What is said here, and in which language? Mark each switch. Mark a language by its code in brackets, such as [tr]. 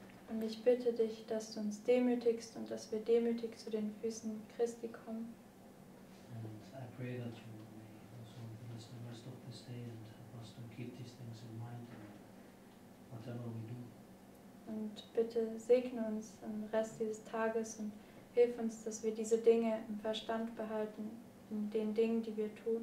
[de] Und ich bitte dich, dass du uns demütigst und dass wir demütig zu den Füßen Christi kommen. [en] I pray that you may also bless the rest of this day and help us to keep these things in mind whatever we do. [de] Und bitte segne uns im Rest dieses Tages und hilf uns, dass wir diese Dinge im Verstand behalten, in den Dingen, die wir tun.